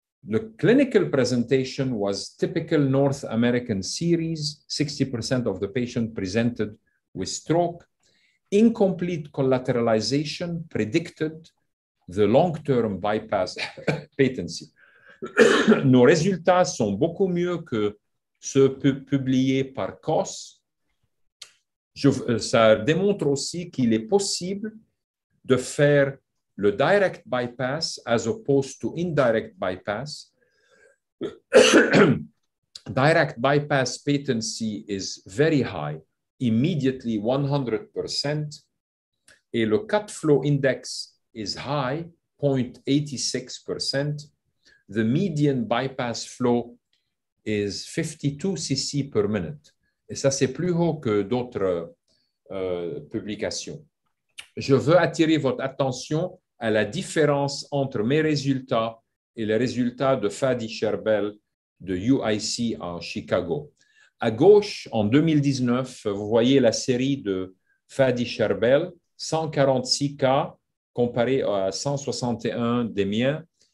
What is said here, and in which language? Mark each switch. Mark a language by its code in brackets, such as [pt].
[en] The clinical presentation was typical North American series. 60% of the patient presented with stroke. Incomplete collateralization predicted the long-term bypass patency. [fr] Nos résultats sont beaucoup mieux que se peut publier par COS. Ça démontre aussi qu'il est possible de faire le direct bypass [en] as opposed to indirect bypass. Direct bypass patency is very high, immediately 100%, [fr] et le [en] cut flow index is high, 0.86%. The median bypass flow is 52 cc per minute. [fr] Et ça, c'est plus haut que d'autres publications. Je veux attirer votre attention à la différence entre mes résultats et les résultats de Fadi Sherbel de UIC en Chicago. À gauche, en 2019, vous voyez la série de Fadi Sherbel, 146 cas comparé à 161 des miens.